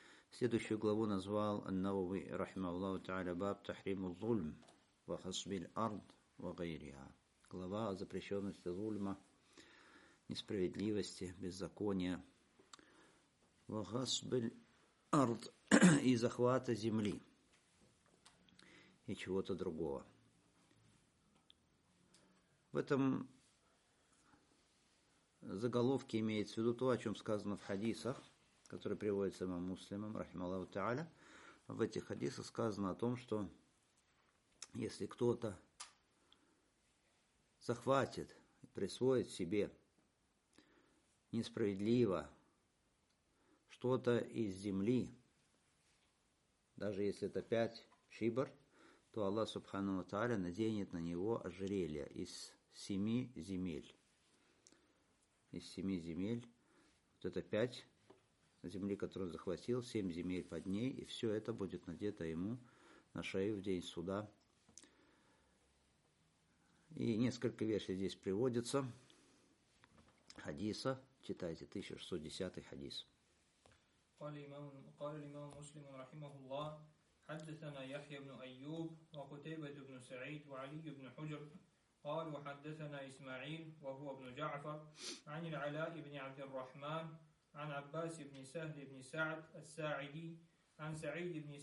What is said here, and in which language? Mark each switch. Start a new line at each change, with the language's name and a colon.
Russian: Следующую главу назвал
Arabic: النووي رحمه الله تعالى باب تحريم الظلم وخصب الأرض وغيرها
Russian: Глава о запрещенности зульма, несправедливости, беззакония, вахасбель ард, и захвата земли, и чего-то другого. В этом заголовке имеется в виду то, о чем сказано в хадисах, которые приводятся самим муслимам, рахималаху та'аля. В этих хадисах сказано о том, что если кто-то захватит, присвоит себе несправедливо что-то из земли, даже если это 5 шибр, то Аллах Субхану ва Тааля наденет на него ожерелье из 7 земель. Из 7 земель. Вот это 5 земли, которые он захватил, 7 земель под ней, и все это будет надето ему на шею в день суда. И несколько версий здесь приводится хадиса. Читайте 1610 хадис.
Arabic: قال الإمام مسلم رحمه الله حدثنا يحيى بن أيوب وقتيبة بن سعيد وعلي بن حجر قال وحدثنا إسماعيل وهو ابن جعفر عن العلاء بن عبد الرحمن عن عباس بن سهل بن سعد الساعدي عن سعيد